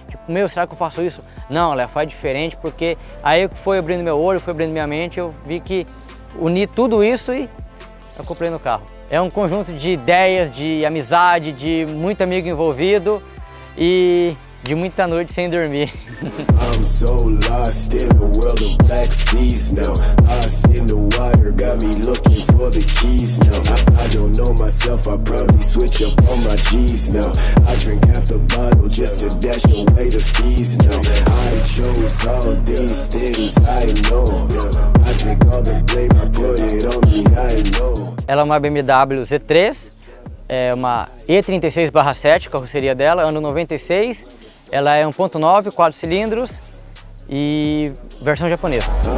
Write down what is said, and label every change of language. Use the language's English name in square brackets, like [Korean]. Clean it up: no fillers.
[Portuguese] Tipo, meu, será que eu faço isso? Não, Léo, faz diferente, porque aí foi abrindo meu olho, foi abrindo minha mente, eu vi que uni tudo isso e eu comprei no carro. É um conjunto de ideias, de amizade, de muito amigo envolvido, e de muita noite sem dormir. [English] I'm so lost in the world of black seas now. Lost in the water, got me looking for the keys now. I don't know myself, I probably switch up on my G's now. I drink half the bottle just to dash away the fees now. I chose all these things I know. I drink all the blame, I put it on me, I know. [Portuguese] Ela é uma BMW Z3. É uma E36/7, carroceria dela, ano 96. Ela é 1.9, 4 cilindros e versão japonesa.